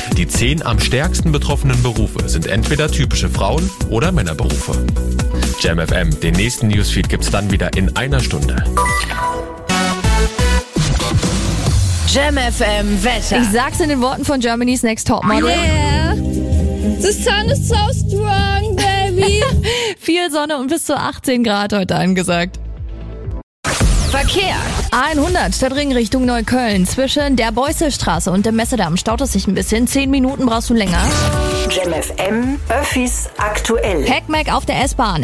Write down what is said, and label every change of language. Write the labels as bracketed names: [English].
[German] Die 10 am stärksten betroffenen Berufe sind entweder typische Frauen- oder Männerberufe. Jam FM, den nächsten Newsfeed gibt's dann wieder in einer Stunde. Jam FM Wetter. Ich sag's in den Worten von Germany's Next Topmodel. [English] Yeah. The sun is so strong, baby. [German] Viel Sonne und bis zu 18 Grad heute angesagt. Verkehr. 100 statt Ring Richtung Neukölln. Zwischen der Beusselstraße und dem Messedamm staut es sich ein bisschen. 10 Minuten brauchst du länger. Jam FM, Öffis aktuell. Pac-Mac auf der S-Bahn.